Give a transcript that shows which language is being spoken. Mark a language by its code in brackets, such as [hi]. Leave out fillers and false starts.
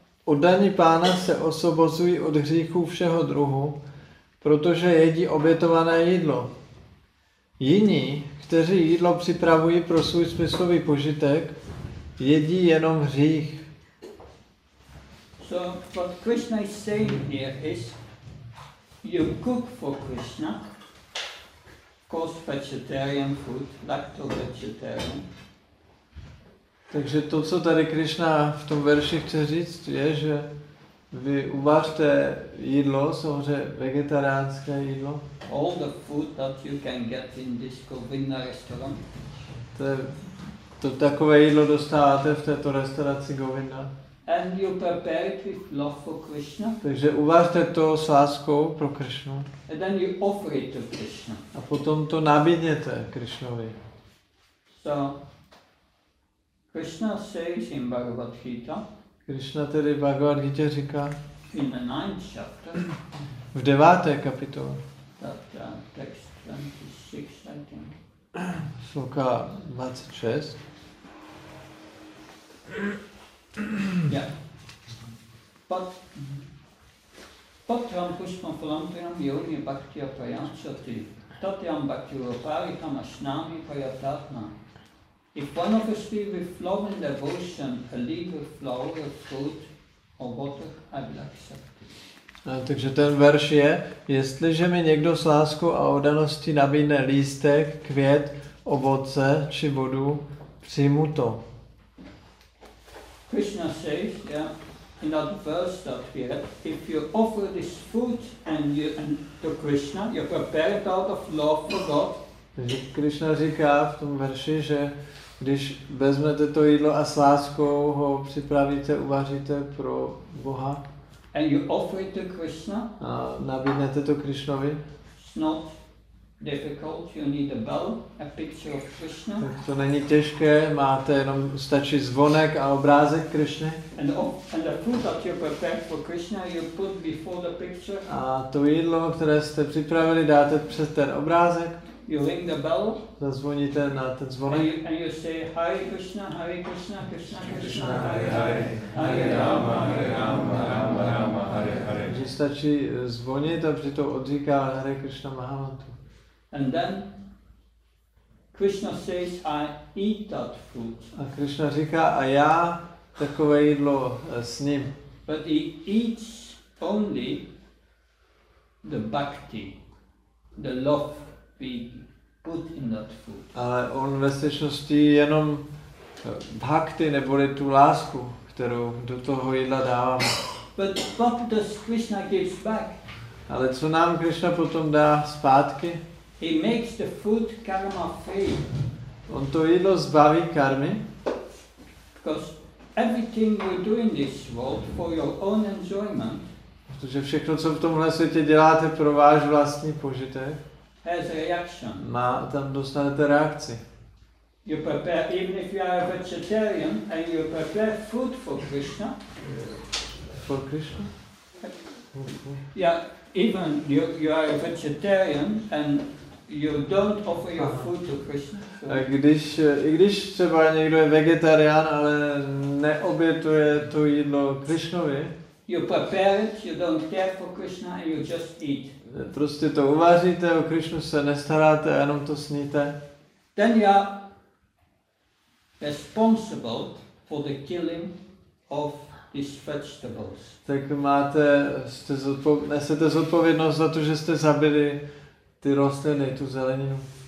[cs] Oddaní pána se osvobozují od hříchů všeho druhu, protože jedí obětované jídlo. Jiní, kteří jídlo připravují pro svůj smyslový požitek, jedí jenom hřích. [en] So what Krishna is saying here is, you cook for Krishna, cause vegetarian food, lacto-vegetarian. [cs] Takže to, co tady Krishna v tom verši chce říct, je, že Vy uvařte jídlo, samozřejmě vegetariánské jídlo. [en] All the food that you can get in this Govinda restaurant. [cs] To takové jídlo dostáváte v této restauraci Govinda. [en] And you prepare it with love for Krishna. [cs] Takže uvařte to s láskou pro Krishnu. [en] And then you offer it to Krishna. [cs] A potom to nabídněte Krishnovi. [en] So, Krishna says in Bhagavad Gita. [cs] Krishna tedy Bhagavad Gita říká. [en] In the ninth chapter. [cs] V deváté kapitole. [en] That text 26, I think. [cs] Sloka 26. [sa] Patram pushpam phalam priyam yoni bhaktiya prayanchati tatyam bhakti roparitam ashnami payatatma. [en] If one of us feel with love and devotion a leaf of flower, of fruit or water, I will accept it. [cs] Takže ten verš je, jestliže mi někdo s láskou a oddaností nabídne lístek, květ, ovoce či vodu, přijmu to. [en] Krishna says, yeah, in that verse that we read, if you offer this food and you and to Krishna, you prepare it out of love for God. [cs] Krishna říká v tom verši, že když vezmete to jídlo a s láskou ho připravíte, uvaříte pro Boha. [en] And you offer it to Krishna. [cs] A nabídnete to Krishnovi. [en] It's not difficult. You need a bell, a picture of Krishna. [cs] Tak to není těžké. Máte jenom stačí zvonek a obrázek Krishny. [en] And the food that you prepare for Krishna, you put before the picture. [cs] A to jídlo, které jste připravili, dáte před ten obrázek. [en] You ring the bell. [cs] Zazvoníte na ten zvonek. [en] And you say, [sa] Hare Krishna, Hare Krishna, Krishna Krishna, Hare Hare, Hare Rama, Hare Rama, Rama Rama, Hare Hare. [cs] Že stačí zvonit a přitom odříká Hare Krishna Mahamantra. [en] And then Krishna says, I eat that food. [cs] A Krishna říká, a já takové jídlo s ním. [en] But he eats only the bhakti, the love. Put in that food. [cs] Ale on ve skutečnosti jenom bhakti neboli tu lásku, kterou do toho jídla dávám. [en] But what does Krishna gives back? [cs] Ale co nám Krishna potom dá zpátky? [en] He makes the food karma free. [cs] On to jídlo zbaví karmy. [en] Because everything you do in this world for your own enjoyment. [cs] Protože všechno, co v tomhle světě děláte pro váš vlastní požitek. [en] Has a reaction. [cs] Má tam dostanete reakci. [en] You prepare, even if you are a vegetarian and you prepare food for Krishna. For Krishna? Yeah, even you are a vegetarian and you don't offer your food to Krishna. So. [cs] A i když třeba někdo je vegetarián, ale neobětuje to jídlo Krishnovi. [en] You prepare it, you don't care for Krishna and you just eat. [cs] Prostě to uvaříte, o Krishnu se nestaráte, jenom to sníte. [en] Then you are responsible for the killing of these vegetables. [cs] Tak máte, nesete zodpovědnost za to, že jste zabili ty rostliny, tu zeleninu.